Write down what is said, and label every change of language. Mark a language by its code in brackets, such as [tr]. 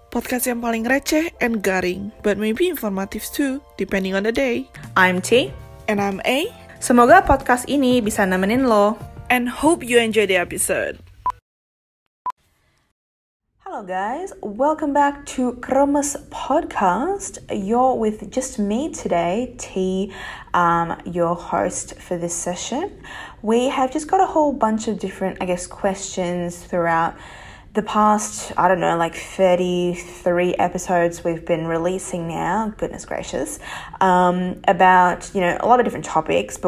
[id] Podcast yang paling receh [en] and garing, but maybe informative too, depending on the day. I'm T. And I'm A. [id] Semoga podcast ini bisa nemenin lo. [en] And hope you enjoy the episode. Hello guys, welcome back to Kremes Podcast. You're with just me today, T, your host for this session. We have just got a whole bunch of different, I guess, questions throughout the past, I don't know, like 33 episodes we've been releasing now, goodness gracious, about, you know, a lot of different topics.